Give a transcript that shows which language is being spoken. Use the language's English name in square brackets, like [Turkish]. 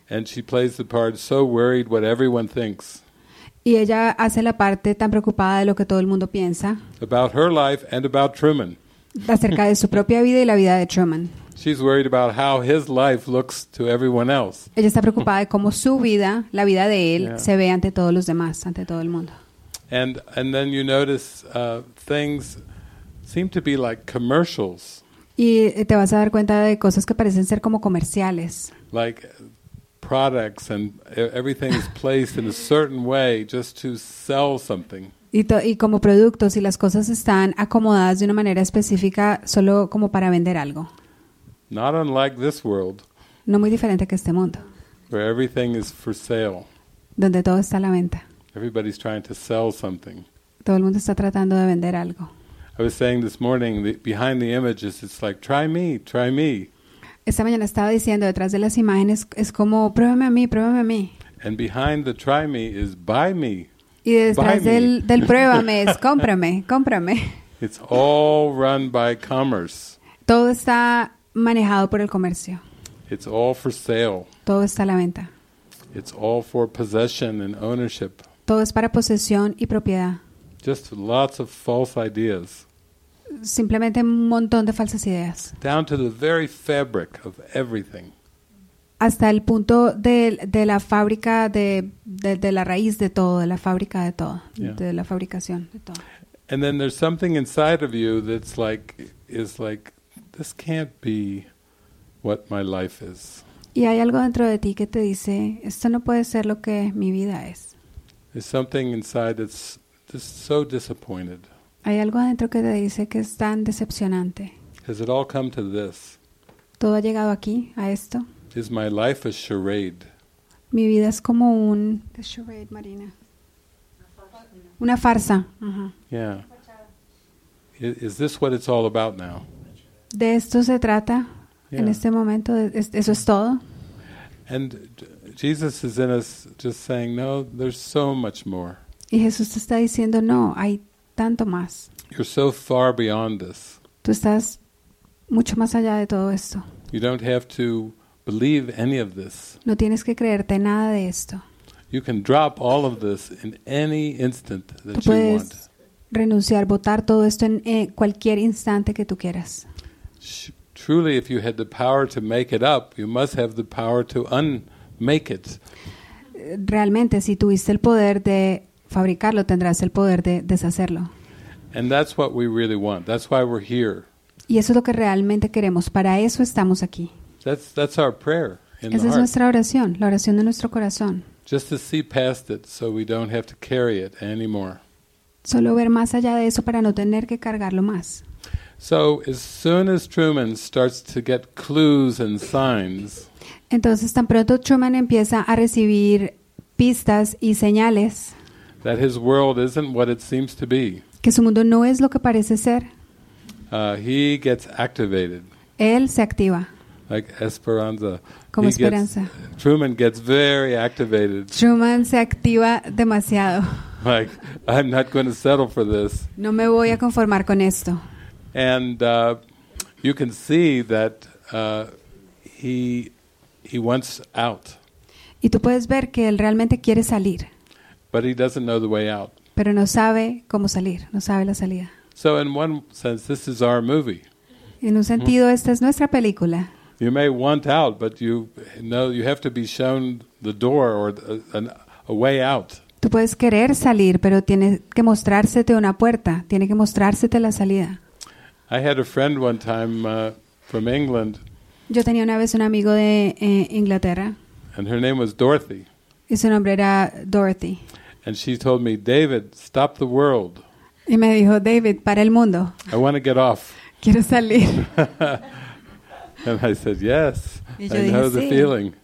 [English] And she plays the part so worried what everyone thinks. [Spanish] Y ella hace la parte tan preocupada de lo que todo el mundo piensa. [English] About her life and about Truman. [Spanish] Acerca de su propia vida y la vida de Truman. [English] She's worried about how his life looks to everyone else. [Spanish] Ella está preocupada de cómo su vida, la vida de él, yeah, se ve ante todos los demás, ante todo el mundo. [English] And then you notice things seem to be like commercials. [Spanish] Y te vas a dar cuenta de cosas que parecen ser como comerciales. [English] Like products and everything is placed in a certain way just to sell something. [Spanish] Y como productos y las cosas están acomodadas de una manera específica solo como para vender algo. [English] Not unlike this world. [Spanish] No muy diferente que este mundo. [English] Where everything is for sale. [Spanish] Donde todo está a la venta. [English] Everybody's trying to sell something. [Spanish] Todo el mundo está tratando de vender algo. [English] I was saying this morning that behind the images it's like try me, try me. [Spanish] Esta mañana estaba diciendo detrás de las imágenes es como pruébame a mí, pruébame a mí. [English] And behind the try me is buy me. [Spanish] Y detrás del pruébame es cómprame, cómprame. [English] It's all run by commerce. [Spanish] Todo está manejado por el comercio. [English] It's all for sale. [Spanish] Todo está a la venta. [English] It's all for possession and ownership. [Spanish] Todo es para posesión y propiedad. [English] Just lots of false ideas. [Spanish] Simplemente un montón de falsas ideas. [English] Down to the very fabric of everything. [Spanish] Hasta el punto de la fábrica de la raíz de todo, de la fábrica de todo, yeah, de la fabricación de todo. [English] And then there's something inside of you that's like is like this can't be what my life is. [Spanish] Y hay algo dentro de ti que te dice esto no puede ser lo que mi vida es. [English] There's something inside that's just so disappointed. [Spanish] Hay algo adentro que te dice que es tan decepcionante. [English] Has it all come to this? [Spanish] Todo ha llegado aquí, a esto. [English] Is my life a charade? [Spanish] Mi vida es como un [English] a charade, Marina. [Spanish] Una farsa. [English] Yeah. Is this what it's all about now? [Spanish] De esto se trata, yeah, en este momento. Eso es todo. [English] And Jesus is in us just saying, no, there's so much more. [Spanish] Y Jesús te está diciendo, no, hay tanto más. [English] You're so far beyond this. [Spanish] Tú estás mucho más allá de todo esto. [English] You don't have to believe any of this. [Spanish] No tienes que creerte nada de esto. [English] You can drop all of this in any instant that you want. [Spanish] Tú puedes renunciar, botar todo esto en cualquier instante que tú quieras. [English] truly, if you had the power to make it up, you must have the power to unmake it. [Spanish] Realmente, si tuviste el poder de fabricarlo, tendrás el poder de deshacerlo. [English] And that's what we really want. That's why we're here. [Spanish] Y eso es lo que realmente queremos. Para eso estamos aquí. [English] That's our prayer. [Spanish] Esa es nuestra oración, la oración de nuestro corazón. [English] Just to see past it, so we don't have to carry it anymore. [Spanish] Solo ver más allá de eso para no tener que cargarlo más. [English] So as soon as Truman starts to get clues and signs, [Spanish] entonces tan pronto Truman empieza a recibir pistas y señales, [English] that his world isn't what it seems to be, [Spanish] que su mundo no es lo que parece ser, [English] he gets activated. [Spanish] Él se activa. [English] Like Esperanza. [Spanish] Como Esperanza. [English] Truman gets very activated. [Spanish] Truman se activa demasiado. [English] Like, I'm not going to settle for this. [Spanish] No me voy a conformar con esto. [English] And you can see that he wants out. [Spanish] Y tú puedes ver que él realmente quiere salir. [English] But he doesn't know the way out. [Spanish] Pero no sabe cómo salir, no sabe la salida. [English] So in one sense, this is our movie. [Spanish] En un sentido, esta es nuestra película. [English] You may want out, but you know you have to be shown the door or a way out. [Spanish] Tú puedes querer salir, pero tiene que mostrársete una puerta, tiene que mostrársete la salida. [English] I had a friend one time from England. [Spanish] Yo tenía una vez un amigo de Inglaterra. [English] And her name was Dorothy. [Spanish] Y su nombre era Dorothy. [English] And she told me, "David, stop the world." [Spanish] Y me dijo, "David, para el mundo." [English] I want to get off. [Spanish] Quiero salir. [English] And I said, "Yes, I know the feeling."